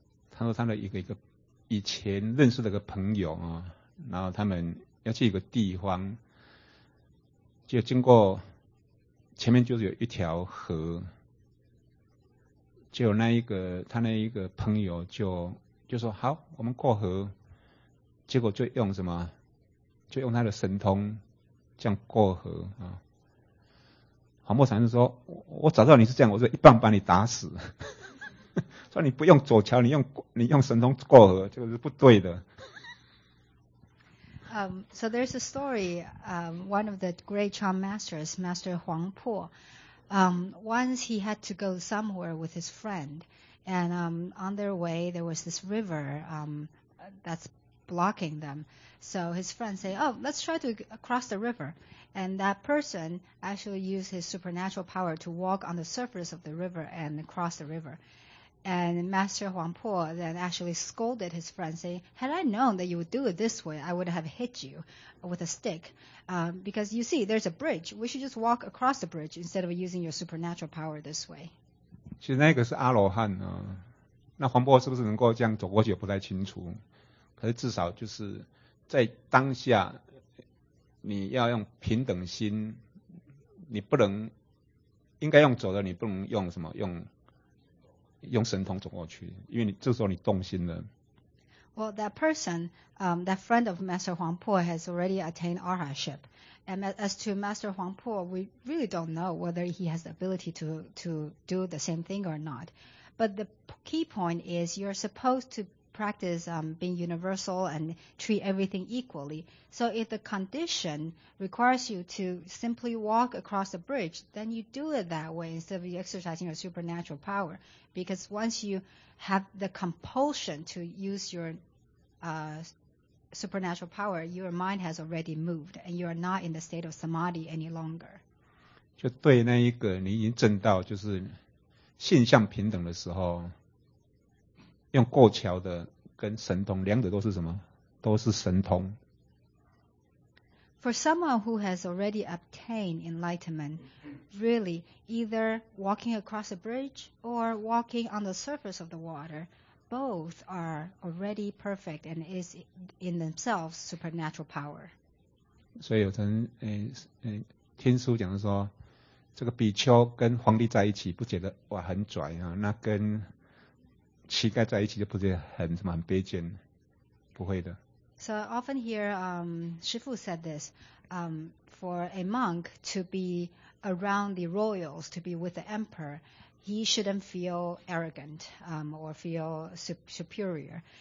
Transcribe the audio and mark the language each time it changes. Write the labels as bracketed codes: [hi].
[zh] 他说他的一个以前认识的一个朋友啊，然后他们要去一个地方，就经过前面就是有一条河，就那一个他那一个朋友就说好，我们过河，结果就用什么，就用他的神通这样过河啊。黄默禅师说：“我早知道你是这样，我就一棒把你打死。说你不用走桥，你用神通过河，这个是不对的。 [en] ”So there's a story. One of the great Chan masters, Master Huang Po, once he had to go somewhere with his friend, and on their way there was this river that's blocking them. So his friend say, "Oh, let's try to cross the river." And that person actually used his supernatural power to walk on the surface of the river and cross the river. And Master Huang Po then actually scolded his friend, saying, "Had I known that you would do it this way, I would have hit you with a stick. Because you see, there's a bridge. We should just walk across the bridge instead of using your supernatural power this way." [zh] 其实那个是阿罗汉啊，那黄波是不是能够这样走过去也不太清楚。可是至少就是在当下，你要用平等心，你不能应该用走的，你不能用什么用神通走过去，因为你这时候你动心了。 [en] Well, that person, that friend of Master Huang Po has already attained arhatship. And as to Master Huang Po, we really don't know whether he has the ability to do the same thing or not. But the key point is you're supposed to practice being universal and treat everything equally. So if the condition requires you to simply walk across the bridge, then you do it that way instead of exercising your supernatural power. Because once you have the compulsion to use your supernatural power, your mind has already moved and you are not in the state of samadhi any longer. [zh] 就对那一个你已经证到就是性相平等的时候，用过桥的跟神通，两者都是什么？都是神通。 [en] For someone who has already obtained enlightenment, really, either walking across a bridge or walking on the surface of the water, both are already perfect and is in themselves supernatural power. [zh] 所以有人听书讲说，这个比丘跟皇帝在一起，不觉得哇很拽啊？那跟乞丐在一起就不觉得很什么很卑贱，不会的。 [en] So I often hear, Shi Fu said this, for a monk to be around the royals, to be with the emperor, he shouldn't feel arrogant, or feel superior.